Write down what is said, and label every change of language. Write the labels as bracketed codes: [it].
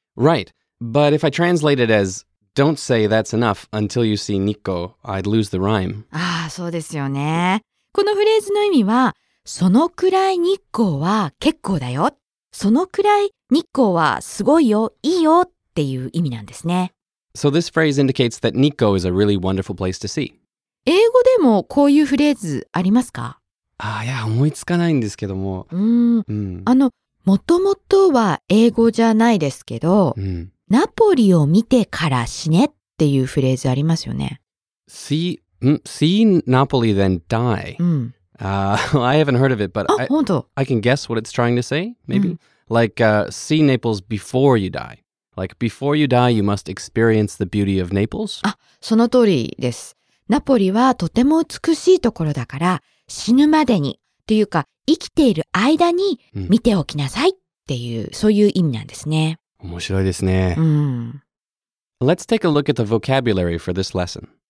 [en] right, but if I translate it asDon't say that's enough until you see Nikko. I'd lose the rhyme. [ja] ああ、そうですよね。このフレーズの意味は、そのくらい日光は結構だよ。そのくらい日光はすごいよ、いいよっていう意味なんですね。 [en] So this phrase indicates that Nikko is a really wonderful place to see. [ja] 英語でもこういうフレーズありますか？ああ、いや、思いつかないんですけども。もともとは英語じゃないですけど、ナポリを見てから死ねっていうフレーズありますよね。 [en] See Napoli then die. I haven't heard of it, but I can guess what it's trying to say, maybe.、うん、like, see Naples before you die. Like, before you die, you must experience the beauty of Naples. [ja] あ、その通りです。ナポリはとても美しいところだから、死ぬまでに、というか、生きている間に見ておきなさいっていう、うん、そういう意味なんですね。面白いですね。うん。 [en] Let's take a look at the vocabulary for this lesson.